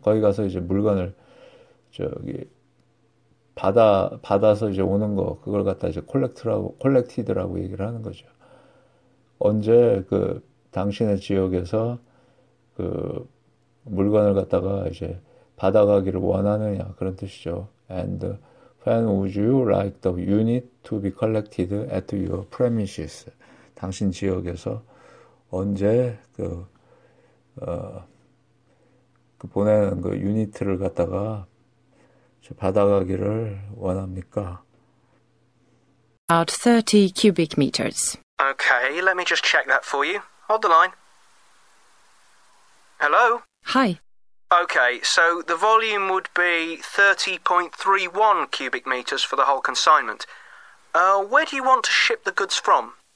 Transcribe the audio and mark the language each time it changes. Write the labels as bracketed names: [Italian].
[Korean] 거기 가서 이제 물건을 저기 받아서 이제 오는 거 그걸 갖다 이제 collected라고 얘기를 하는 거죠. 언제 그 당신의 지역에서 그 물건을 갖다가 이제 받아가기를 원하느냐 그런 뜻이죠. [English] And when would you like the unit to be collected at your premises? [Korean] 당신 지역에서 언제 그 보내는 그 유니트를 갖다가 받아가기를 원합니까? [English] About 30 cubic meters. Okay, let me just check that for you. Hold the line. Hello? Hi. Okay, so the volume would be 30.31 cubic meters for the whole consignment. Where do you want to ship the goods from?